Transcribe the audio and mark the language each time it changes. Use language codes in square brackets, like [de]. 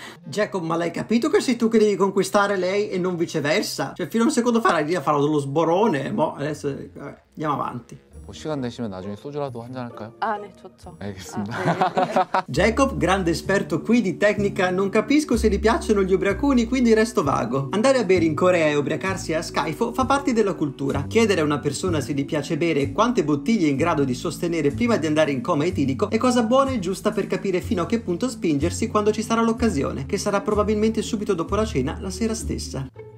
[it] Jacob, ma l'hai capito che sei tu che devi conquistare lei e non viceversa? Cioè, fino a un secondo fa l'idea farò dello sborone, ma adesso andiamo avanti. [ko] 뭐 시간 되시면 나중에 소주라도 한잔 할까요? 아, 네, 좋죠. 알겠습니다. 아, 네. [it] Jacob, grande esperto qui di tecnica, non capisco se gli piacciono gli ubriaconi, quindi resto vago. Andare a bere in Corea e ubriacarsi a Skyfo fa parte della cultura. Chiedere a una persona se gli piace bere e quante bottiglie è in grado di sostenere prima di andare in coma etilico è cosa buona e giusta per capire fino a che punto spingersi quando ci sarà l'occasione, che sarà probabilmente subito dopo la cena, la sera stessa.